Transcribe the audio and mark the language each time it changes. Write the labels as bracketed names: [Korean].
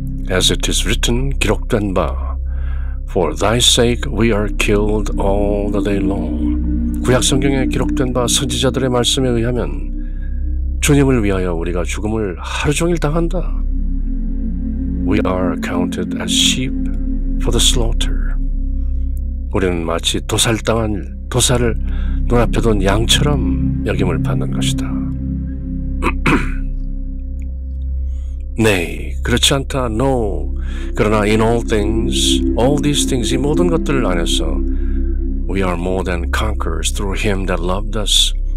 [English] As it is written, [Korean] 기록된 바 [English] For thy sake we are killed all the day long. [Korean] 구약 성경에 기록된 바 선지자들의 말씀에 의하면 주님을 위하여 우리가 죽음을 하루 종일 당한다. [English] We are counted as sheep for the slaughter. [Korean] 우리는 마치 도살당한 도살을 눈앞에 둔 양처럼 역임을 받는 것이다. [English] Nay, [Korean] 그렇지 않다. [English] No. [Korean] 그러나 [English] in all these things, [Korean] 이 모든 것들 안에서 [English] we are more than conquerors through him that loved us.